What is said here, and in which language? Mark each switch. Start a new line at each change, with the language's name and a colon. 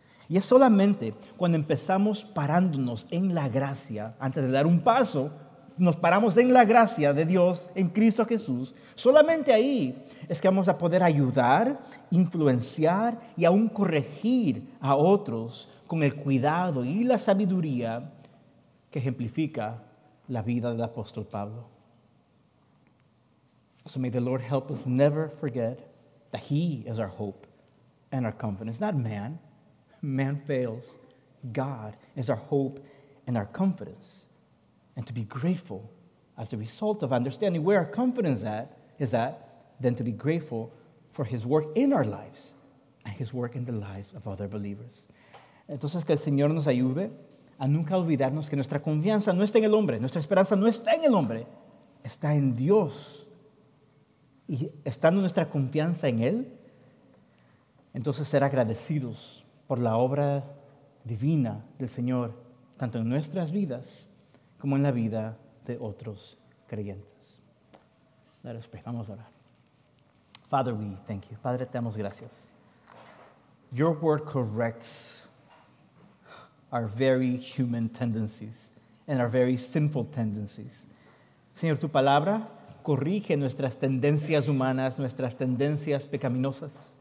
Spanish: Y es solamente cuando empezamos parándonos en la gracia, antes de dar un paso, nos paramos en la gracia de Dios, en Cristo Jesús, solamente ahí es que vamos a poder ayudar, influenciar y aún corregir a otros con el cuidado y la sabiduría que ejemplifica la vida del apóstol Pablo.
English: So may the Lord help us never forget that He is our hope and our confidence. Not man. Man fails. God is our hope and our confidence. And to be grateful as a result of understanding where our confidence is at, then to be grateful for His work in our lives and His work in the lives of other believers.
Spanish: Entonces, que el Señor nos ayude a nunca olvidarnos que nuestra confianza no está en el hombre, nuestra esperanza no está en el hombre, está en Dios. Y estando nuestra confianza en Él, entonces ser agradecidos por la obra divina del Señor, tanto en nuestras vidas como en la vida de otros creyentes.
English: Let us pray.
Spanish: Vamos a orar.
English: Father, we thank you.
Spanish: Padre, te damos gracias.
English: Your word corrects our very human tendencies and our very sinful tendencies.
Spanish: Señor, tu palabra corrige nuestras tendencias humanas, nuestras tendencias pecaminosas.